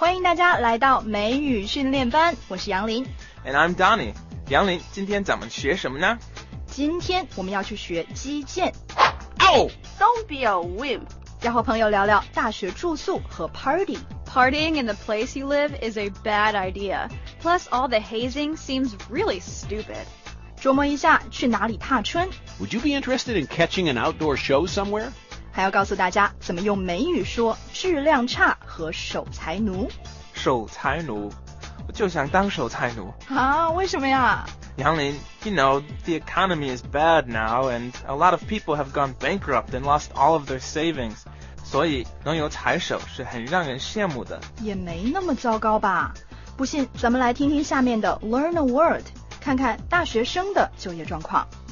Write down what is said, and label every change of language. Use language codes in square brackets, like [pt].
[zh] 大家来到美语训练班，我是杨林。 [en] And I'm Donnie。 [zh] 杨林，今天咱们学什么呢？今天我们要去学击剑。 Ow! [en] Don't be a wimp. [zh] 要和朋友聊聊大学住宿和 party。 [en] Partying in the place you live is a bad idea. Plus, all the hazing seems really stupid. [zh] 琢磨一下去哪里踏春。 [en] Would you be interested in catching an outdoor show somewhere? [zh] 还要告诉大家怎么用美语说质量差和守财奴。守财奴，我就想当守财奴。啊，为什么呀？ [en] 杨林， you know, the economy is bad now, and a lot of people have gone bankrupt and lost all of their savings. [zh] 所以能有财手是很让人羡慕的。也没那么糟糕吧？不信，咱们来听听下面的 Learn a Word, 看看大学生的就业状况。